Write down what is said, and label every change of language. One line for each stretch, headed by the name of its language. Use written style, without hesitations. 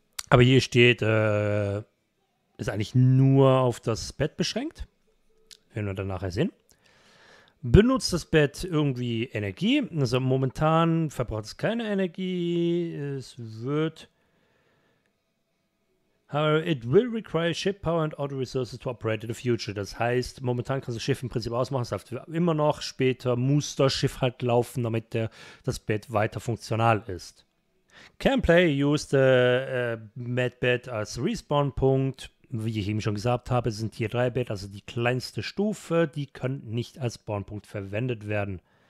German: Aber hier steht, ist eigentlich nur auf das Bett beschränkt. Wenn wir dann nachher sehen. Benutzt das Bett irgendwie Energie? Also momentan verbraucht es keine Energie. Es wird.
English: However, it will require ship power and auto resources to operate in the future.
German: Das heißt, momentan kannst du das Schiff im Prinzip ausmachen. Es läuft immer noch. Später muss das Schiff halt laufen, damit das Bett weiter funktional ist.
English: Can play use the medbed
German: als Respawn-Punkt. Wie ich eben schon gesagt habe, sind hier drei Bett, also die kleinste Stufe, die können nicht als Spawnpunkt verwendet werden.